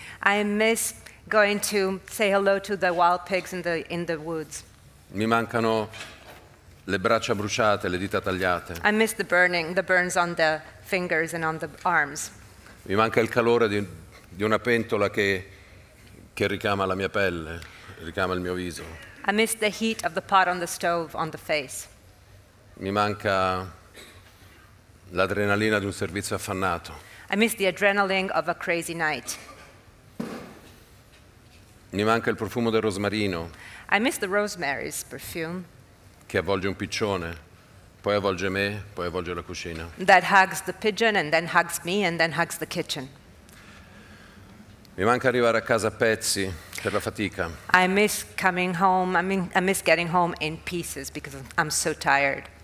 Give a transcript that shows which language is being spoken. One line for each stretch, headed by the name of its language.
English: I miss going to say hello to the wild pigs in the woods.
Italian: Mi mancano le braccia bruciate, le dita tagliate.
English: I miss the burns on the fingers and on the arms.
Italian: Mi manca il calore di una pentola che ricama la mia pelle, ricama il mio viso.
English: I miss the heat of the pot on the stove on the face.
Italian: Mi manca l'adrenalina di un servizio affannato.
English: I miss the adrenaline of a crazy night.
Italian: Mi manca il profumo del rosmarino.
English: I miss the rosemary's perfume.
Italian: Che avvolge un piccione, poi avvolge me, poi avvolge la cucina.
English: That hugs the pigeon and then hugs me and then hugs the kitchen.
Italian: Mi manca arrivare a casa a pezzi per la fatica.
English: I miss getting home in pieces because I'm so tired.